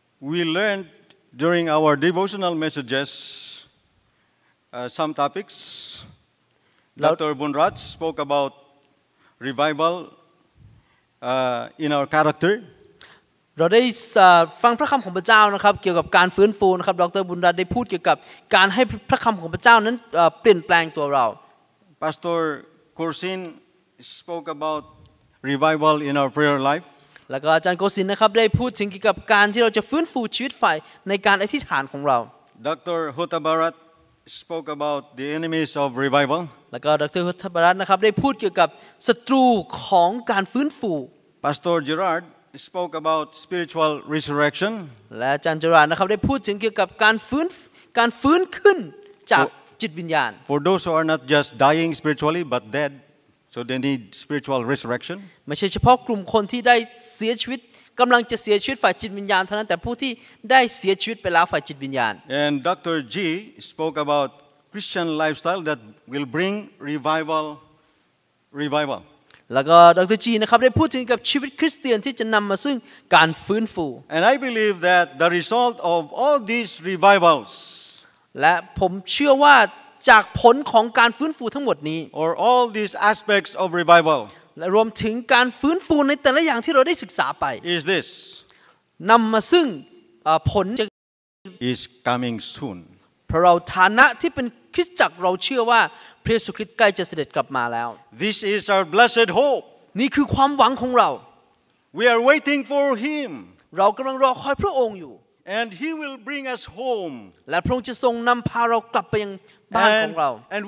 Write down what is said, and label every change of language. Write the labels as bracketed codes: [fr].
[en] We learned during our devotional messages some topics Dr. Bunraj spoke about revival in our character [th] เราได้ฟังพระคำของพระเจ้านะครับเกี่ยวกับการฟื้นฟูนะครับดร.บุญรัตน์ได้พูดเกี่ยวกับการให้พระคำของพระเจ้านั้นเปลี่ยนแปลงตัวเรา [en] Pastor Kursin spoke about revival in our prayer life. [th] แล้วก็อาจารย์โกศินนะครับได้พูดถึงเกี่ยวกับการที่เราจะฟื้นฟูชีวิตฝ่ายในการอธิษฐานของเรา [en] Dr. Huttabharat spoke about the enemies of revival. [th] แล้วก็ดร. Huttabharat นะครับได้พูดเกี่ยวกับศัตรูของการฟื้นฟู [en] Pastor Gerard spoke about spiritual resurrection. [th] และอาจารย์ Gerard นะครับได้พูดถึงเกี่ยวกับการฟื้นขึ้นจากจิตวิญญาณ [en] For those who are not just dying spiritually but dead. So they need spiritual resurrection. [th] ไม่ใช่เฉพาะกลุ่มคนที่ได้เสียชีวิตกำลังจะเสียชีวิตฝ่ายจิตวิญญาณเท่านั้นแต่ผู้ที่ได้เสียชีวิตไปแล้วฝ่ายจิตวิญญาณ [en] And Dr. G spoke about Christian lifestyle that will bring revival. [th] แล้วก็ดร. G นะครับได้พูดถึงกับชีวิตคริสเตียนที่จะนำมาซึ่งการฟื้นฟู [en] And I believe that the result of all these revivals. [th] และผมเชื่อว่าจากผลของการฟื้นฟูทั้งหมดนี้ [en] or all these aspects of revival [th] และรวมถึงการฟื้นฟูในแต่ละอย่างที่เราได้ศึกษาไป [en] is this [th] นำมาซึ่งผลจะ [en] is coming soon [th] เพราะเราฐานะที่เป็นคริสตจักรเราเชื่อว่าพระเยซูคริสต์ใกล้จะเสด็จกลับมาแล้ว [en] this is our blessed hope [th] นี่คือความหวังของเรา [en] we are waiting for him [th] เรากำลังรอคอยพระองค์อยู่ [en] and he will bring us home [th] และพระองค์จะทรงนำพาเรากลับไปยังAnd